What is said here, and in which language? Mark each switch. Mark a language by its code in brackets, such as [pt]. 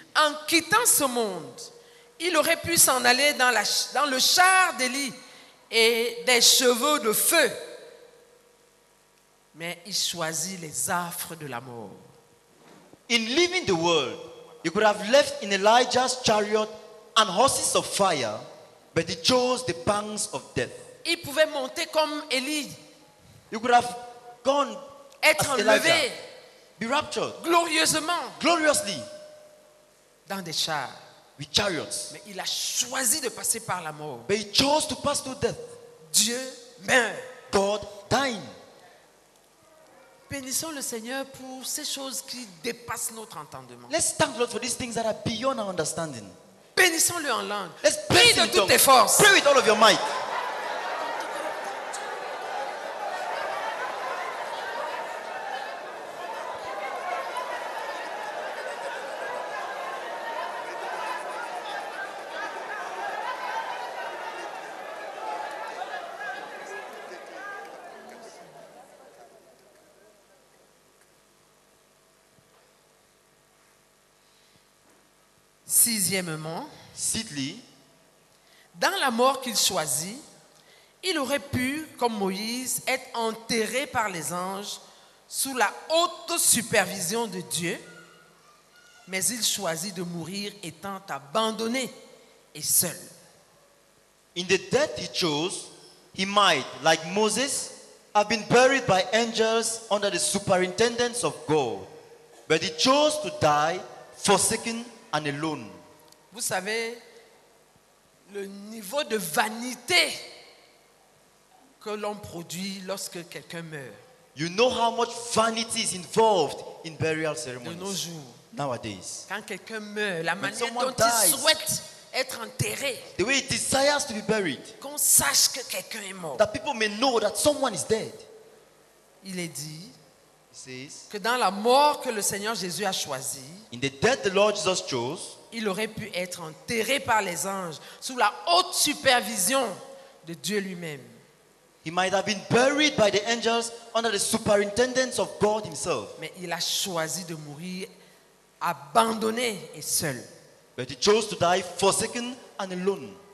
[fr] en quittant ce monde, il aurait pu s'en aller dans le char d'Élie et des chevaux de feu. Mais il choisit les affres de la mort. [en] In leaving the world, he could have left in Elijah's chariot and horses of fire, but he chose the pangs of death. [fr] Il pouvait monter comme Élie. [en] He could have gone [fr] être as enlevé, Elijah, [en] be raptured [fr] glorieusement, [en] gloriously, [fr] dans des chars, [en] with chariots. [fr] Mais il a choisi de passer par la mort. [en] But he chose to pass through death. [fr] Dieu meurt. [en] God dying. [fr] Bénissons le Seigneur pour ces choses qui dépassent notre entendement. [en] Let's thank the Lord for these things that are beyond our understanding. [fr] Bénissons-le en langue. [en] Let's pray [fr] de toutes tes forces. [en] Pray with all of your might. [fr] Sixièmement, Sidley, dans la mort qu'il choisit, il aurait pu, comme Moïse, être enterré par les anges sous la haute supervision de Dieu, mais il choisit de mourir étant abandonné et seul. [en] In the death he chose, he might, like Moses, have been buried by angels under the superintendence of God, but he chose to die forsaken and alone. [fr] Vous savez, le niveau de vanité que l'on produit lorsque quelqu'un meurt. [en] You know how much vanity is involved in burial ceremonies. [fr] De nos jours. [en] Nowadays. [fr] Quand quelqu'un meurt, la manière dont il souhaite être enterré. [en] The way he desires to be buried. [fr] Qu'on sache que quelqu'un est mort. [en] That people may know that someone is dead. [fr] Il est dit. [en] He says. [fr] Que dans la mort que le Seigneur Jésus a choisi. [en] In the death the Lord Jesus chose. [fr] Il aurait pu être enterré par les anges sous la haute supervision de Dieu lui-même. [en] He might have been buried by the angels under the superintendence of God himself. [fr] Mais il a choisi de mourir abandonné et seul. [en] But he chose to die forsaken and alone.